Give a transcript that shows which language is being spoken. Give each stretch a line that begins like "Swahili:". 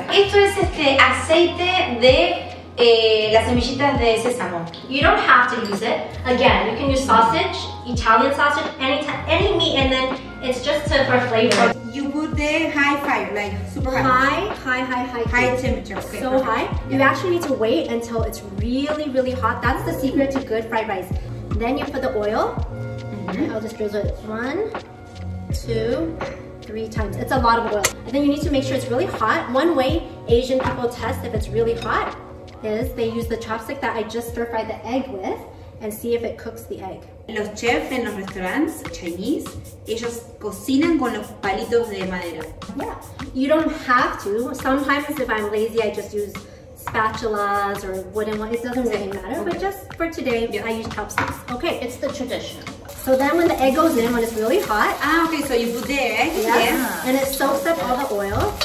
Spanish: Esto es aceite de las semillitas de sésamo.
English: You don't have to use it. Again, you can use sausage, Italian sausage, any meat, and then it's just to, for flavor. Yeah. You put the high fire, like super high. High temperature. Okay, so high. Yeah. You actually need to wait until it's really, really hot. That's the secret to good fried rice. Then you put the oil. Mm-hmm. I'll just drizzle it. 1, 2, 3 times. It's a lot of oil. And then you need to make sure it's really hot. One way Asian people test if it's really hot is they use the chopstick that I just stir fried the egg with and see if it cooks the egg.
Spanish: Los chefs en los
English: restaurants Chinese,
Spanish: ellos cocinan con los palitos de madera.
English: Yeah, you don't have to. Sometimes if I'm lazy, I just use spatulas or wooden ones. It doesn't really matter, okay. But just for today, yes. I use chopsticks. Okay, it's the tradition. So then when the egg goes in, when it's really hot. Ah, okay, so you put the egg. Yeah. And it soaks up all the oil.